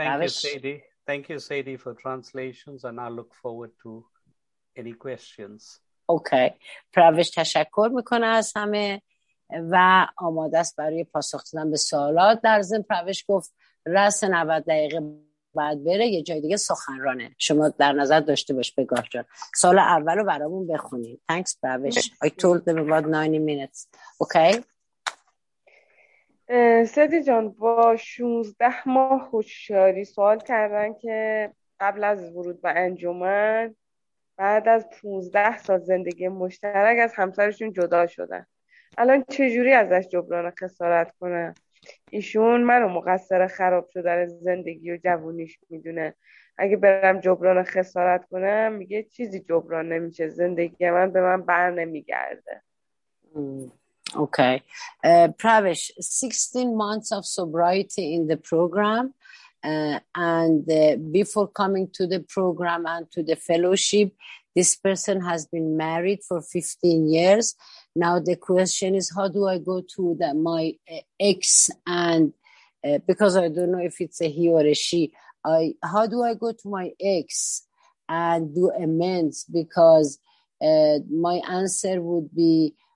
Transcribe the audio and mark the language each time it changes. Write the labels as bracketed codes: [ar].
[en] Thank you Sadie for translations and I look forward to any questions. Okay. [fa] Pravesh تشکر میکنه از همه و آماده است برای پاسخ دادن به سوالات. در ضمن پروش گفت رس 90 دقیقه بعد بره یه جای دیگه سخنرانه، شما در نظر داشته باش بگاه جان سوال اولو برامون بخونید. [en] Thanks پروش. I told them about 90 minutes. Okay. [fa] سدی جان با 16 ماه هوشیاری سوال کردن که قبل از ورود به انجمن بعد از 15 سال زندگی مشترک از همسرشون جدا شدن، الان چجوری ازش جبران خسارت کنه؟ ایشون منو مقصر خراب شدن زندگی و جوونیش میدونه، اگه برم جبران خسارت کنم میگه چیزی جبران نمیشه، زندگی من به من بر نمیگرده. اوکی. [en] Pravesh, 16 months of sobriety in the program and before coming to the program and to the fellowship, this person has been married for 15 years. Now the question is, how do I go to the, my ex, and because I don't know if it's a he or a she, how do I go to my ex and do amends? Because my answer would be,